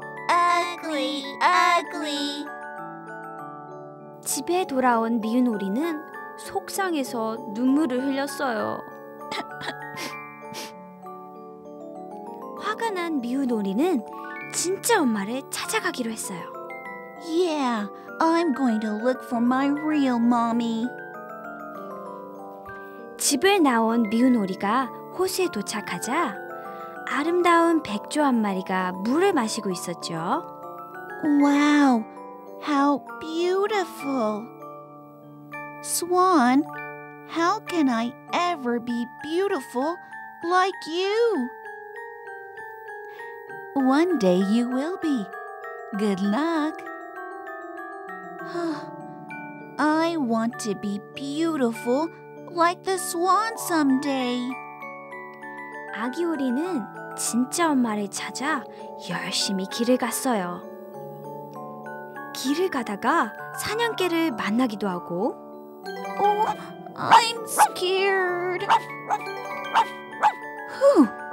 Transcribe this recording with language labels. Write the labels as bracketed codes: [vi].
[en] Ugly, ugly. [ko] 집에 돌아온 미운 오리는 속상해서 눈물을 흘렸어요. 화가 난 미운 오리는 진짜 엄마를 찾아가기로 했어요. [en] Yeah, I'm going to look for my real mommy. [ko] 집을 나온 미운 오리가 호수에 도착하자 아름다운 백조 한 마리가 물을 마시고 있었죠. [en] Wow, how beautiful. Swan, how can I ever be beautiful like you? One day you will be. Good luck. I want to be beautiful like the swan someday. [ko] 아기 오리는 진짜 엄마를 찾아 열심히 길을 갔어요. 길을 가다가 사냥개를 만나기도 하고 [en] I'm scared. 후!